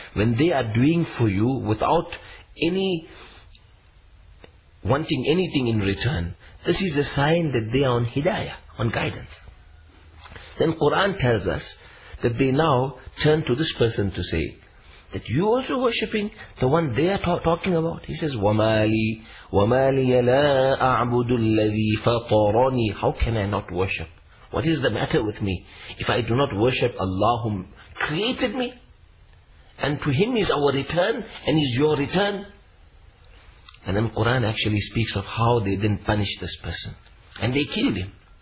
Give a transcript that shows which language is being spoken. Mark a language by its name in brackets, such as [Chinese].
[English] When they are doing for you without any wanting anything in return, this is a sign that they are on hidayah, on guidance. Then Quran tells us that they now turn to this person to say that you also worshipping the one they are talking about. He says, [Arabic] وَمَالِيَ لَا أَعْبُدُ الَّذِي فَطَرَنِي. [English] How can I not worship? What is the matter with me if I do not worship Allah whom created me? And to Him is our return and is your return. And then Quran actually speaks of how they then punished this person. And they killed him.